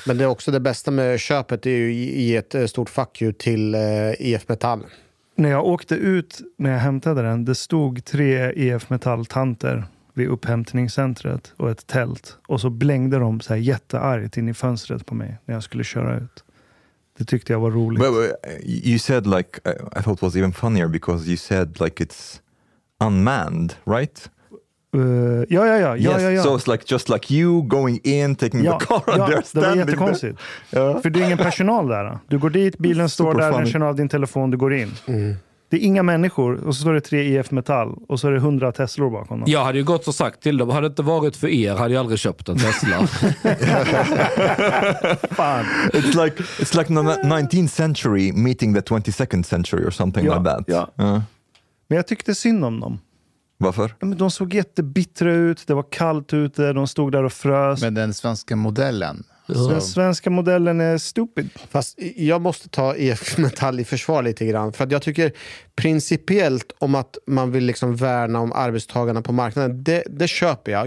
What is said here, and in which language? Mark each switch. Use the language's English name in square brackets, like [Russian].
[Swedish] Men det är också det bästa med köpet är ju i ett stort fuck you till IF Metall. När jag åkte ut när jag hämtade den, det stod 3 IF Metall-tanter vid upphämtningscentret och ett tält. Och så blängde de så här jätteargt in i fönstret på mig när jag skulle köra ut. Det tyckte jag var roligt. [English] But you said like, I thought it was even funnier because you said like it's unmanned, right? [Swedish] Ja. [English] So it's like, just like you going in, taking the car and they're standing. [Swedish] Ja, det var jättekonstigt. Yeah. För det är ingen personal där. Du går dit, bilen står där, den känner av din telefon, du går in. Mm. Det är inga människor och så står det 3 IF Metall och så är det 100 Teslor bakom dem. Jag hade ju gått och sagt till dem, hade det inte varit för er hade jag aldrig köpt en Tesla. Fan. [English] It's like 19th century meeting the 22nd century or something like that. [Swedish] Ja. Men jag tyckte synd om dem. Varför? Ja, men de såg jättebittra ut, det var kallt ute, de stod där och frös. Men den svenska modellen... Så den svenska modellen är stupid. Fast jag måste ta IF Metall i försvar lite grann. För att jag tycker principiellt om att man vill liksom värna om arbetstagarna på marknaden. Det köper jag.